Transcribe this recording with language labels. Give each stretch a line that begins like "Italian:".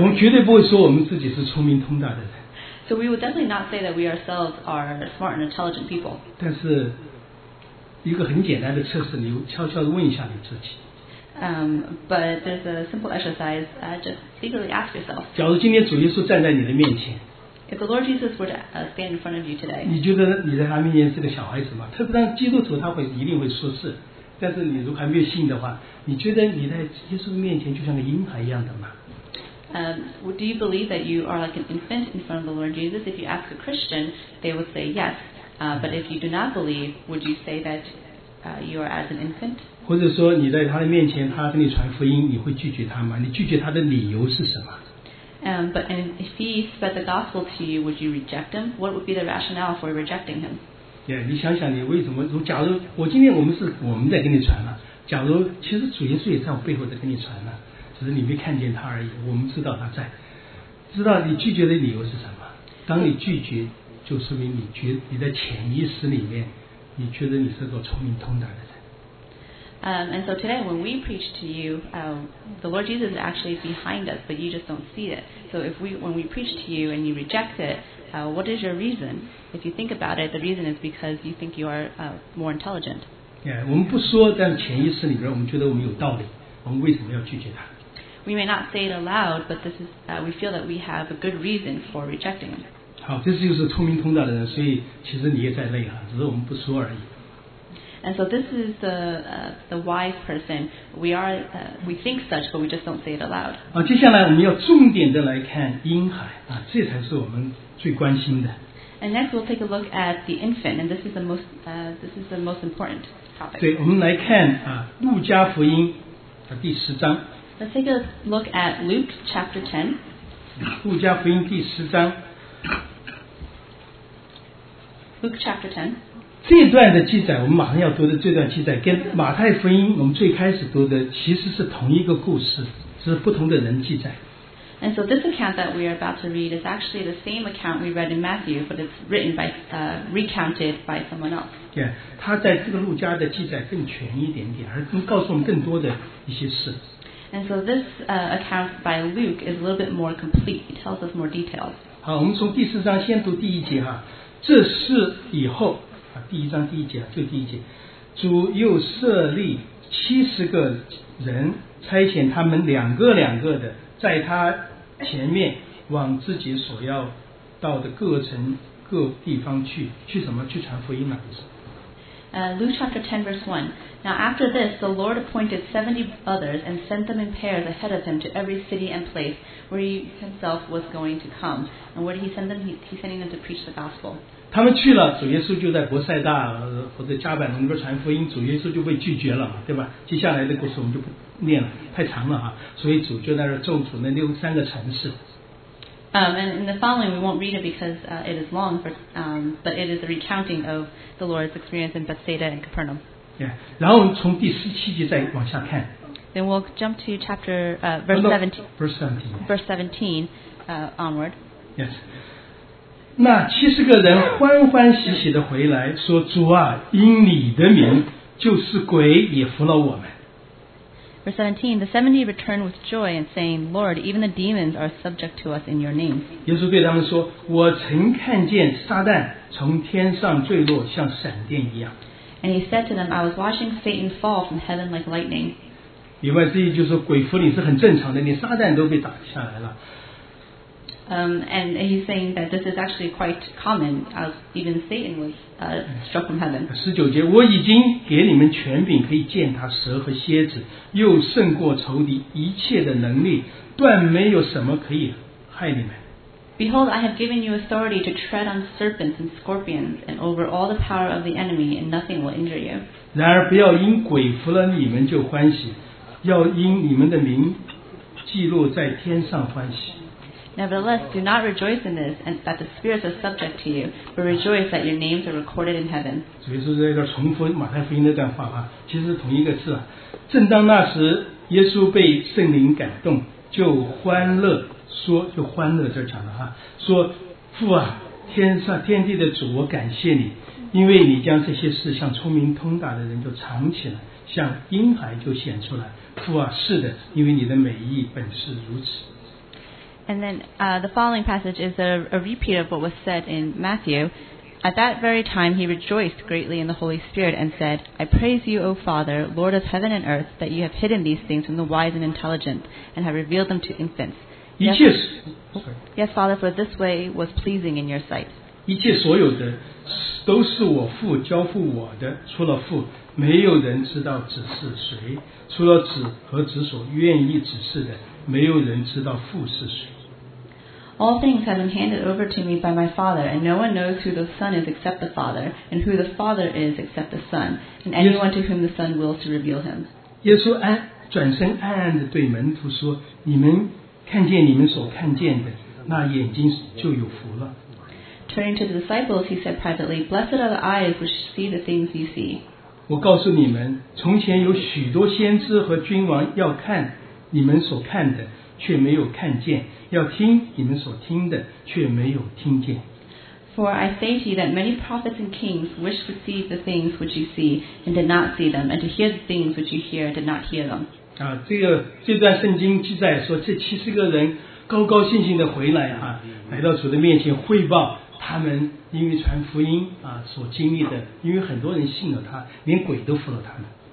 Chinese: 我们绝对不会说我们自己是聪明通达的人。
English: So we would definitely not say that we ourselves are smart and intelligent people.
Chinese: 但是。一个很简单的测试，你悄悄地问一下你自己。
English: But there's a simple exercise. Just secretly ask yourself.
Chinese: 假如今天主耶稣站在你的面前。
English: If the Lord Jesus were to stand in front of you today.
Chinese: 你觉得你在他面前是个小孩子吗？特别当基督徒，他一定会说是，但是你如果还没有信的话，你觉得你在耶稣面前就像个婴孩一样的吗？
English: Do you believe that you are like an infant in front of the Lord Jesus? If you ask a Christian, they would say yes. But if you do not believe, would you say that you are as an infant?
Chinese: 或者说你在他的面前，他跟你传福音，你会拒绝他吗？你拒绝他的理由是什么？
English: But and if he spread the gospel to you, would you reject him? What would be the rationale for rejecting him?
Chinese: Yeah, 你想想你为什么？假如我今天我们在跟你传了，假如其实主耶稣也在我背后在跟你传了。只是你没看见他而已，我们知道他在，知道你拒绝的理由是什么。当你拒绝，就说明你的潜意识里面，你觉得你是个聪明通达的人。
English: And so today when we preach to you, the Lord Jesus is actually behind us, but you just don't see it. So if when we preach to you and you reject it, what is your reason? If you think about it, the reason is because you think you are more intelligent.
Chinese: Yeah, 我们不说，但潜意识里面我们觉得我们有道理。我们为什么要拒绝他？
English: We may not say it aloud, but this is we feel that we have a good reason for rejecting him.
Chinese: 好，这就是聪明通达的人，所以其实你也在内了，只是我们不说而已。
English: And so this is the wise person. We are we think such, but we just don't say it aloud.
Chinese: 接下来我们要重点的来看婴孩啊，这才是我们最关心的。
English: And next we'll take a look at the infant, and this is the most important topic.
Chinese: 对，我们来看啊，路加福音第十章。
English: Let's take a look at Luke chapter 10.
Chinese: 路加福音第十章。
English: Luke chapter 10.
Chinese: 这段的记载，我们马上要读的这段记载，跟马太福音我们最开始读的其实是同一个故事，只是不同的人记载。
English: And so this account that we are about to read is actually the same account we read in Matthew, but it's written by, recounted by someone else.
Chinese: Yeah, 他在这个路加的记载更全一点点，而告诉我们更多的一些事。
English: And so this account by Luke is a little bit more complete. It tells us more details.
Chinese: 好，我们从第四章先读第一节哈。这事以后，第一章第一节，就第一节，主又设立七十个人，差遣他们两个两个的，在他前面往自己所要到的各城各地方去，去什么？去传福音嘛，不是。
English: Luke chapter 10 verse 1. Now after this, the Lord appointed 70 others and sent them in pairs ahead of him to every city and place where he himself was going to come. And where did he send them? He's sending them to preach the gospel.
Chinese: 他们去了，主耶稣就在伯赛大或者加百农那边传福音，主耶稣就被拒绝了，对吧？接下来的故事我们就不念了，太长了哈。所以主就在那咒诅那三个城市。
English: And in the following, we won't read it because it is long, but it is a recounting of the Lord's experience in Bethsaida and Capernaum. Yeah.
Chinese: 然后从第十七节再往下看。
English: Then we'll jump to chapter verse 17 onward. Yes.
Chinese: 那七十个人欢欢喜喜的回来，说：“主啊，因你的名，就是鬼也服了我们。”
English: Verse 17, the 70 returned with joy and saying, Lord, even the demons are subject to us in your name.
Chinese: 耶稣对他们说，我曾看见撒旦从天上坠落像闪电一样。
English: And he said to them, I was watching Satan fall from heaven like lightning.
Chinese: 另外之一就是鬼附你是很正常的，连撒旦都被打下来了。
English: And he's saying that this is actually quite common, as even Satan was struck from heaven.
Chinese: 十九节，我已经给你们权柄，可以践踏蛇和蝎子，又胜过仇敌一切的能力，断没有什么可以害你们。
English: Behold, I have given you authority to tread on serpents and scorpions, and over all the power of the enemy, and nothing will injure you.
Chinese: 然而不要因鬼服了你们就欢喜，要因你们的名记录在天上欢喜。
English: Nevertheless, do not rejoice in this, and that the spirits are subject to you, but rejoice that your names are recorded in heaven.
Chinese: 主耶稣在这重复马太福音那段话啊，其实同一个字啊。正当那时，耶稣被圣灵感动，就欢乐这讲的哈，说父啊，天上天地的主，我感谢你，因为你将这些事向聪明通达的人就藏起来，向婴孩就显出来。父啊，是的，因为你的美意本是如此。
English: And then the following passage is a repeat of what was said in Matthew. At that very time, he rejoiced greatly in the Holy Spirit and said, I praise you, O Father, Lord of heaven and earth, that you have hidden these things from the wise and intelligent and have revealed them to infants. Yes, Father, for this way was pleasing in your sight.
Chinese: 一切所有的都是我父交付我的，除了父，没有人知道子是谁，除了子和子所愿意指示的，没有人知道父是谁。
English: All things have been handed over to me by my Father, and no one knows who the Son is except the Father, and who the Father is except the Son, and anyone to whom the Son wills to reveal him.
Chinese: 耶稣安转身暗暗地对门徒说，你们看见你们所看见的，那眼睛就有福了。
English: Turning to the disciples, he said privately, Blessed are the eyes which see the things you see.
Chinese: 我告诉你们，从前有许多先知和君王要看你们所看的，却没有看见，要听你们所听的，却没有听见。
English: For I say to you that many prophets and kings wished to see the things which you see and did not see them, and to hear the things which you hear and did not hear them.
Chinese: 这段圣经记载说，这七十个人高高兴兴的回来啊，来到主的面前汇报他们因为传福音啊所经历的，因为很多人信了他，连鬼都服了他们。